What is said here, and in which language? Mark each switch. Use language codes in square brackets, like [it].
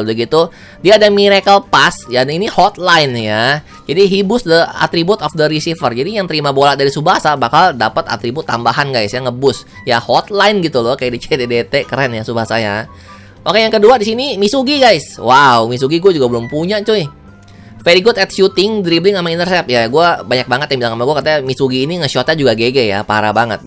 [id] Udah gitu, dia ada miracle pass ya, ini hotline ya. Jadi [en] he boost the attribute of the receiver. [id] Jadi yang terima bola dari Tsubasa bakal dapat atribut tambahan guys ya, ngeboost. Ya hotline gitu loh, kayak di CDDT, keren ya Tsubasa ya. Oke, yang kedua di sini Misugi guys. Wow, Misugi gue juga belum punya cuy. [en] Very good at shooting, dribbling [id] sama intercept. Ya gue banyak banget yang bilang sama gue, katanya Misugi ini nge-shotnya juga GG ya, parah banget.